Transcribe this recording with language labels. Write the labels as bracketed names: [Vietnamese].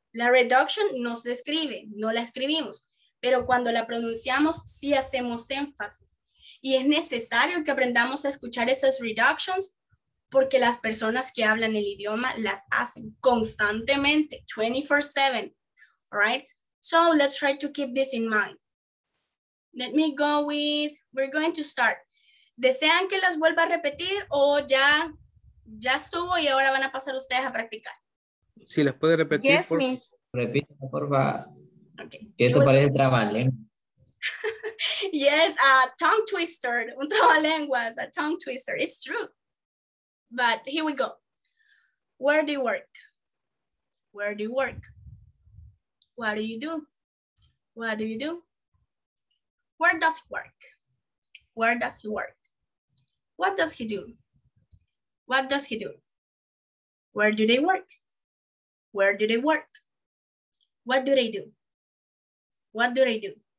[Spanish] La reduction no se escribe, no la escribimos, pero cuando la pronunciamos, sí hacemos énfasis. Y es necesario que aprendamos a escuchar esas reductions porque las personas que hablan el idioma las hacen constantemente, 24/7, [English] all right? So let's try to keep this in mind. Let me go with, we're going to start. [Spanish] ¿Desean que las vuelva a repetir o ya estuvo y ahora van a pasar ustedes a practicar? Si las puede repetir, [English] yes, [Spanish] por favor. Repita, por favor. Okay. Que eso parece trabalenguas. [English] Yes, a tongue twister, [Spanish] un trabalenguas, [English] a tongue twister, it's true. But here we go. Where do you work? Where do you work? What do you do? What do you do? Where does he work? Where does he work? What does he do? What does he do? Where do they work? Where do they work? What do they do? What do they do?